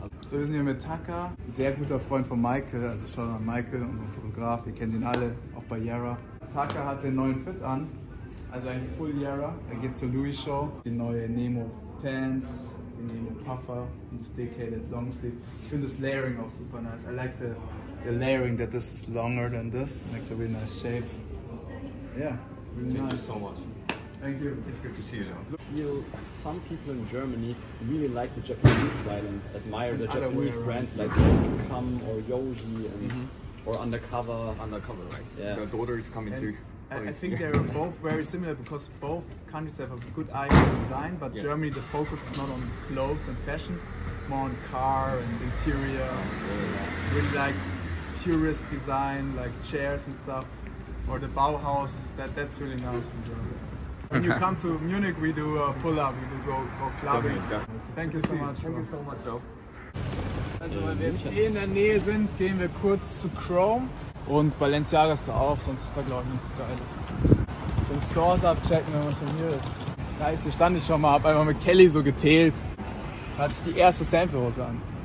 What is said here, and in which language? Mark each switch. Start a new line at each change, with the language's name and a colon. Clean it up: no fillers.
German: So, wir sind hier mit Taka, sehr guter Freund von Michael, also schau mal, Michael, unser Fotograf, ihr kennt ihn alle, auch bei Yara. Taka hat den neuen Fit an, also ein Full Yara, er geht zur Louis Show. Die neue Nemo Pants, die Nemo Puffer und das Decaded Long Sleeve. Ich finde das Layering auch super nice.
English: I like the layering, that this is longer than this, makes a really nice shape. Yeah, really Thank Thank you so much. Thank you. It's good to see you, Leon. You know, some people in Germany really like the Japanese style and admire the Japanese brands like Kam or Yoji and or Undercover. Undercover, right? Yeah. Your daughter is coming too. I think they're both very similar because both countries have a good eye for design, but Germany the focus is not on clothes and fashion, more on car and interior. Really like tourist design, like chairs and stuff. Or the Bauhaus, that's really nice from Germany. When you come to Munich, we do a pull-up, we do go clubbing. Thank you so much. Thank you so much, Joe.
German: Also, wenn wir jetzt eh in der Nähe sind, gehen wir kurz zu Chrome. Und Balenciaga ist da auch, sonst ist da glaube ich nichts Geiles. Den Stores abchecken, wenn man schon hier ist. Nice, hier stand ich schon mal, hab einmal mit Kelly so getailt. Da hatte ich die erste Sample-Hose an.